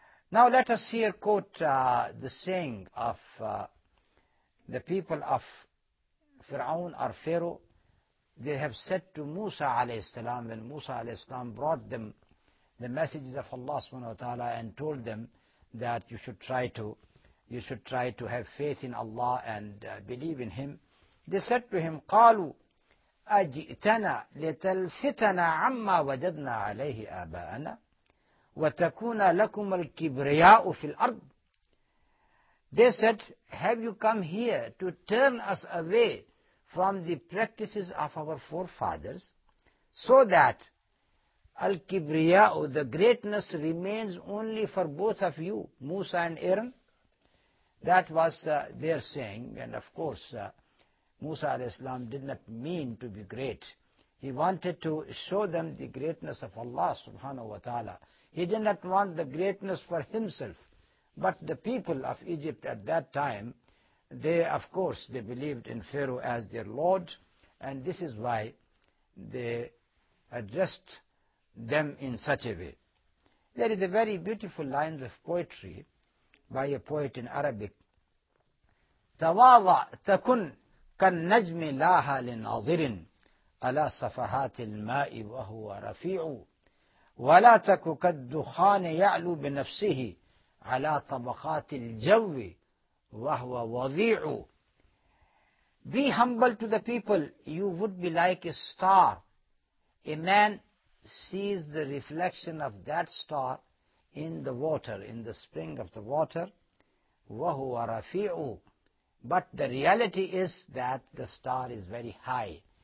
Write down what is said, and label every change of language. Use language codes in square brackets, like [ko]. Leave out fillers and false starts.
[en] Now let us here quote the saying of the people of Fir'aun or Pharaoh. They have said to Musa alayhi salam, when Musa alayhi salam brought them the messages of Allah subhanahu wa ta'ala and told them that you should try to have faith in Allah and believe in Him. They said to him, [ar] قَالُوا أَجِئْتَنَا لِتَلْفِتَنَا عَمَّا وَجَدْنَا عَلَيْهِ آبَاءَنَا وَتَكُونَ لَكُمَ الْكِبْرِيَاءُ فِي الْأَرْضِ. [en] They said, have you come here to turn us away from the practices of our forefathers, so that Al-Kibriya'u, the greatness, remains only for both of you, Musa and Aaron? That was their saying. And of course, Musa alayhi salam did not mean to be great. He wanted to show them the greatness of Allah subhanahu wa ta'ala. He did not want the greatness for himself. But the people of Egypt at that time, they believed in Pharaoh as their lord, and this is why they addressed them in such a way. There is a very beautiful lines of poetry by a poet in Arabic. [ar] تواضع تكن كالنجم لاها لناظر على صفحات الماء وهو رفيع ولا تك كالدخان يعلو بنفسه على طبقات الجو وهو وضيع. [en] Be humble to the people, you would be like a star. A man sees the reflection of that star in the water, in the spring of the water. [ar] وَهُوَ رَفِيعُ. [en] But the reality is that the star is very high.